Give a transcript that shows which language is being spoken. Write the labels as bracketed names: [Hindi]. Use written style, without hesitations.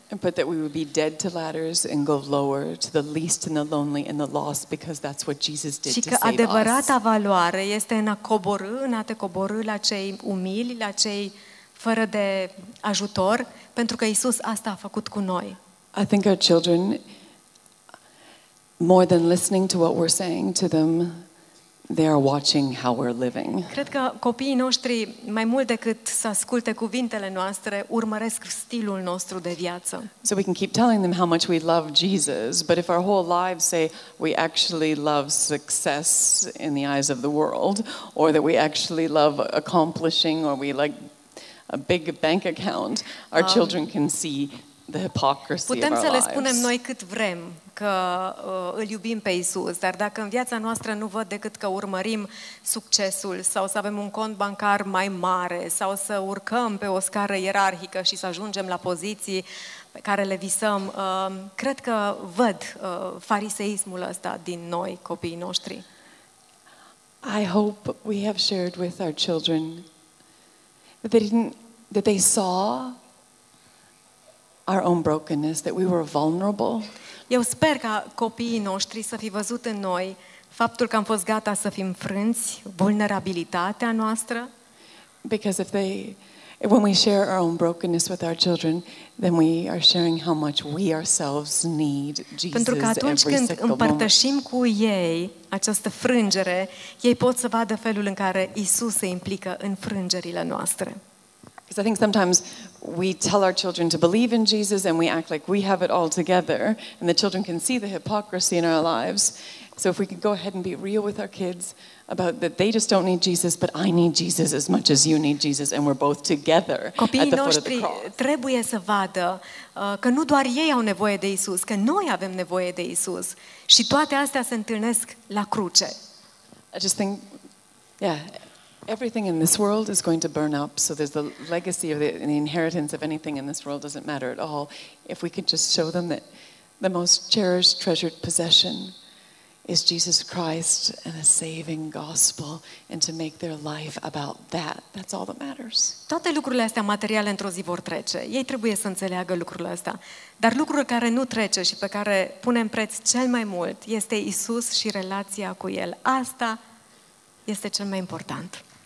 [English] But that we would be dead to ladders and go lower to the least and the lonely and the lost because that's what Jesus did to save us. [Romanian] Și că adevărata valoare este în a coborâ, în a te coborâ la cei umili, la cei fără de ajutor, pentru că Iisus asta a făcut cu noi. [English] I think our children, more than listening to what we're saying to them, they are watching how we're living. [Romanian] Cred că copiii noștri mai mult decât să asculte cuvintele noastre, urmăresc stilul nostru de viață. [English] So we can keep telling them how much we love Jesus, but if our whole lives say we actually love success in the eyes of the world, or that we actually love accomplishing, or we like a big bank account, our children can see the hypocrisy of our lives. [Romanian] Putem să le spunem noi cât vrem că îl iubim pe Iisus, dar dacă în viața noastră nu văd decât că urmărim succesul sau să avem un cont bancar mai mare sau să urcăm pe o scară ierarhică și să ajungem la poziții pe care le visăm, cred că văd fariseismul ăsta din noi, copiii noștri. [English] I hope we have shared with our children that they saw our own brokenness, that we were vulnerable. [Romanian] Eu sper ca copiii noștri să fi văzut în noi faptul că am fost gata să fim frânți, vulnerabilitatea noastră. [English] Because when we share our own brokenness with our children, then we are sharing how much we ourselves need Jesus. [Romanian] Pentru că atunci când împărtășim cu ei această frângere, ei pot să vadă felul în care Iisus se implică în frângerile noastre. [English] Because I think sometimes we tell our children to believe in Jesus and we act like we have it all together and the children can see the hypocrisy in our lives. So if we could go ahead and be real with our kids about that they just don't need Jesus, but I need Jesus as much as you need Jesus and we're both together at the foot of the cross. [Romanian] Copiii noștri trebuie să vadă că nu doar ei au nevoie de Iisus, că noi avem nevoie de Iisus și toate astea se întâlnesc la cruce. [English] I just think, yeah, everything in this world is going to burn up, so there's the legacy of the inheritance of anything in this world doesn't matter at all. If we could just show them that the most cherished, treasured possession is Jesus Christ and a saving gospel, and to make their life about that, that's all that matters. [Romanian] Toate lucrurile astea materiale într-o zi vor trece. Ei trebuie să înțeleagă lucrurile astea. Dar lucrul care nu trece și pe care punem preț cel mai mult este Iisus și relația cu El. Asta este cel mai important.